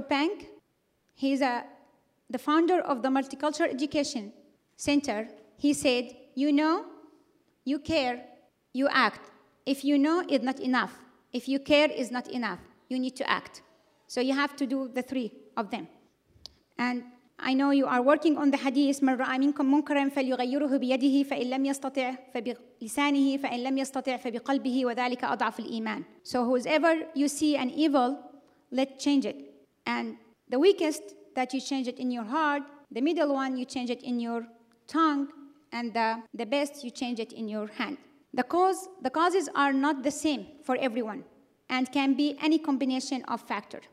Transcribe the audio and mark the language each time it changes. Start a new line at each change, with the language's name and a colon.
English: Pang, he's the founder of the Multicultural Education Center, he said, you know, you care, you act. If you know, it's not enough. If you care, it's not enough. You need to act. So you have to do the three of them. And I know you are working on the hadith,
Arabic: من رأى منكم منكرا فليغيره بيده فإن لم يستطع فبلسانه فإن لم يستطع فبقلبه وذلك أضعف الإيمان.
English: So whoever you see an evil, let change it. And the weakest that you change it in your heart, the middle one you change it in your tongue, and the best you change it in your hand. The causes are not the same for everyone and can be any combination of factors.